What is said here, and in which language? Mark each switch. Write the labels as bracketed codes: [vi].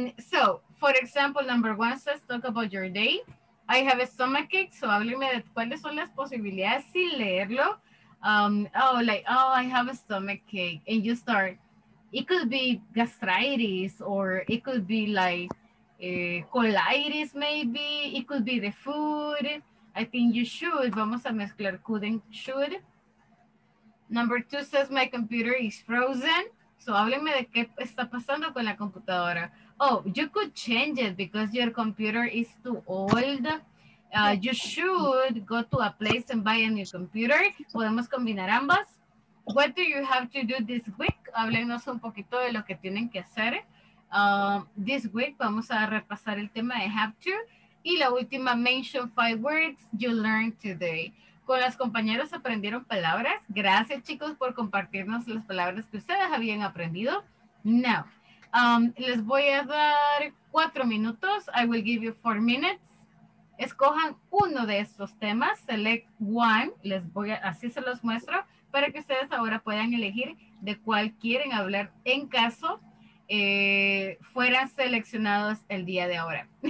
[en] So, for example, number one says talk about your day. I have a stomachache, so [es] háblenme de cuáles son las posibilidades sin leerlo. [en] I have a stomachache. And you start, it could be gastritis or it could be like, colitis maybe, it could be the food, I think you should, [es] vamos a mezclar [en] could and should. Number two says my computer is frozen, so [es] háblenme de qué está pasando con la computadora. [en] Oh, you could change it because your computer is too old. You should go to a place and buy a new computer, [es] podemos combinar ambas. [en] What do you have to do this week? [es] Háblenos un poquito de lo que tienen que hacer. [en] This week, [es] vamos a repasar el tema de have to. Y la última, [en] mention five words you learned today. [es] Con las compañeras aprendieron palabras. Gracias, chicos, por compartirnos las palabras que ustedes habían aprendido. Now, les voy a dar 4 minutos. [en] I will give you 4 minutes. [es] Escojan uno de estos temas. [en] Select one. [es] Les voy a, así se los muestro, para que ustedes ahora puedan elegir de cuál quieren hablar en caso fueran seleccionados el día de ahora.